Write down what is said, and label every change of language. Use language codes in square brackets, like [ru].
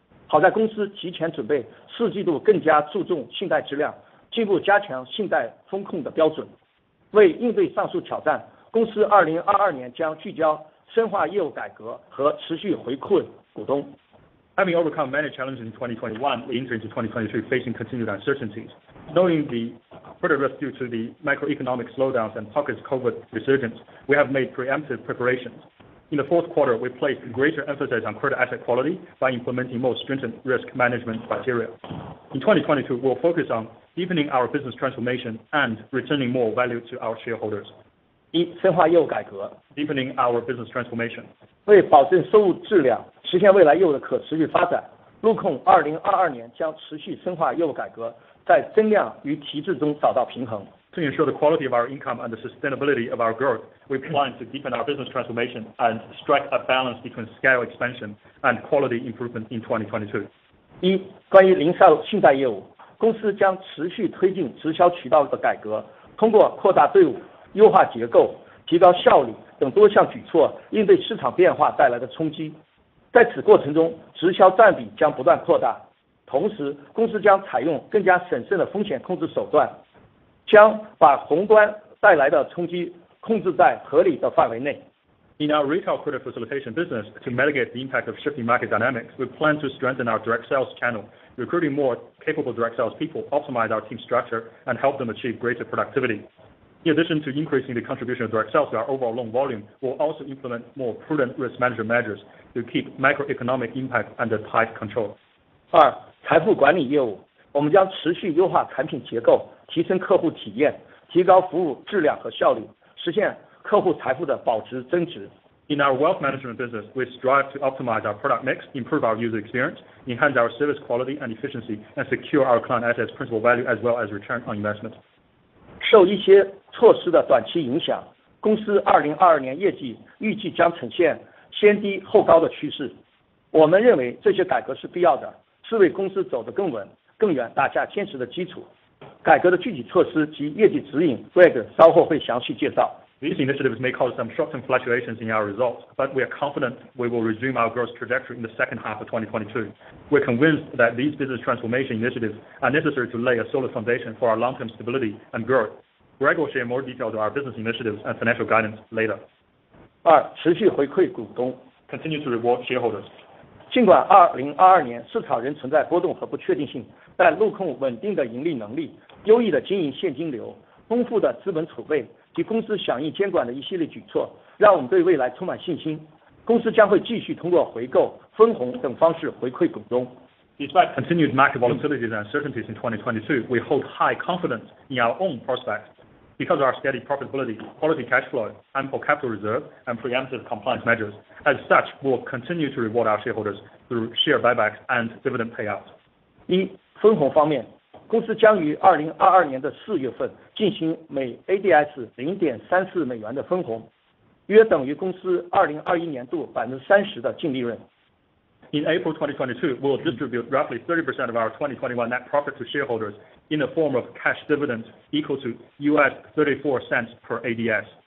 [zh] 好在公司提前准备四季度更加注重信贷质量, 进一步加强信贷风控的标准。为应对上述挑战, 公司2022年将聚焦深化业务改革和持续回馈股东。 [en] Having overcome many challenges in 2021, we enter into 2022 facing continued uncertainties. Knowing the further risk due to the macroeconomic slowdowns and pockets of COVID resurgence, we have made preemptive preparations. In the fourth quarter, we placed greater emphasis on credit asset quality by implementing more stringent risk management criteria. In 2022, we'll focus on deepening our business transformation and returning more value to our shareholders. [zh] 深化业务改革, [en] deepening our business transformation. [zh] 为保证收入质量, 实现未来业务的可持续发展, 陆控2022年将持续深化业务改革, 在增量与提质中找到平衡。 [en] To ensure the quality of our income and the sustainability of our growth, we plan to deepen our business transformation and strike a balance between scale expansion and quality improvement in 2022. [zh] 一，关于零售信贷业务, 公司将持续推进直销渠道的改革, 通过扩大队伍, 优化结构, 提高效率等多项举措, 应对市场变化带来的冲击。在此过程中, 直销占比将不断扩大, 同时, 公司将采用更加审慎的风险控制手段, 将把宏观带来的冲击控制在合理的范围内。 [en] In our retail credit facilitation business, to mitigate the impact of shifting market dynamics, we plan to strengthen our direct sales channel, recruiting more capable direct sales people, optimize our team structure, and help them achieve greater productivity. In addition to increasing the contribution of direct sales to our overall loan volume, we'll also implement more prudent risk management measures to keep macroeconomic impact under tight control. [zh] 二，财富管理业务。我们将持续优化产品结构，提升客户体验， 提高服务质量和效率， 实现客户财富的保值增值。 [en] In our wealth management business, we strive to optimize our product mix, improve our user experience, enhance our service quality and efficiency, and secure our client assets principal value as well as return on investment. [zh] 受一些措施的短期影响， 公司2022年业绩预计将呈现先低后高的趋势。我们认为这些改革是必要的， 是为公司走得更稳， 更远大家坚持的基础。改革的具体措施及业绩指引，Greg稍后会详细介绍。 [en] These initiatives may cause some short-term fluctuations in our results, but we are confident we will resume our growth trajectory in the second half of 2022. We're convinced that these business transformation initiatives are necessary to lay a solid foundation for our long-term stability and growth. Greg will share more details on our business initiatives and financial guidance later. [zh] 二，持续回馈股东。 [en] Continue to reward shareholders. [zh] 尽管2022年市场仍存在波动和不确定性， 但陆控稳定的盈利能力、优异的经营现金流、丰富的资本储备及公司响应监管的一系列举措，让我们对未来充满信心。公司将会继续通过回购、分红等方式回馈股东。 [en] Despite continued market volatilities and uncertainties in 2022, we hold high confidence in our own prospects. Because of our steady profitability, quality cash flow, ample capital reserve, and preemptive compliance measures, as such, we will continue to reward our shareholders through share buybacks and dividend payouts. [zh] 一，分红方面， 公司将于2022年的4月份进行每 ADS 0.34美元的分红， 约等于公司2021年度30%的净利润。 [en] In April 2022, we'll distribute roughly 30% of our 2021 net profit to shareholders in the form of cash dividends equal to US$0.34 per ADS.